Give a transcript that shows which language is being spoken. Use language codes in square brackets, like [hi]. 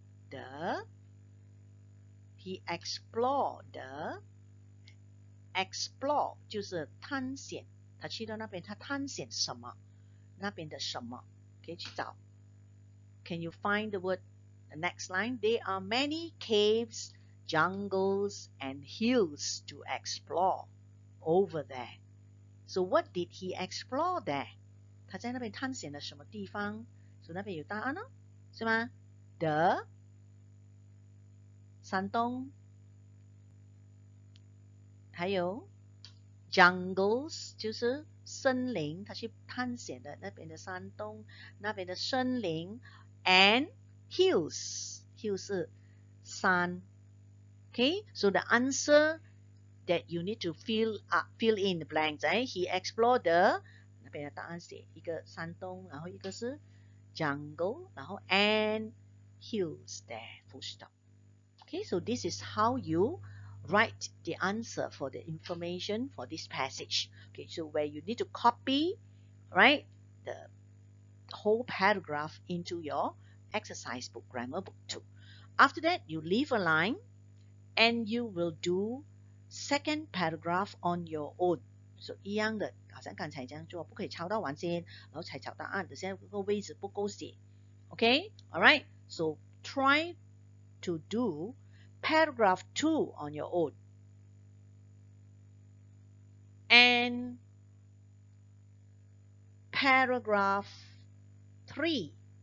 [zh] the, he explored the, explore 就是探险，他去到那边，他探险什么？那边的什么？可以去找。 [en] Can you find the word? The next line, there are many caves, jungles, and hills to explore over there. So what did he explore there? [zh] 他在那边探险了什么地方？所以那边有答案哦，是吗？ The 山洞，还有 jungles 就是森林，他去探险的那边的山洞，那边的森林 [en] and hills， [zh] hills 是山。 [en] Okay, so the answer that you need to fill in the blanks, right? He explored the [zh] 那边的答案写一个山洞，然后一个是 jungle， 然后 [en] and hills there, full stop. Okay, so this is how youwrite the answer for the information for this passage. Okay, so where you need to copy, right, the whole paragraph into your exercise book, grammar book 2. After that, you leave a line and you will do second paragraph on your own. [zh] So, 一样的，好像刚才这样做，不可以抄到完先，然后才抄答案，现在那个位置不够写。 [en] Okay, alright, so try to doParagraph 2 on your own. And paragraph 3.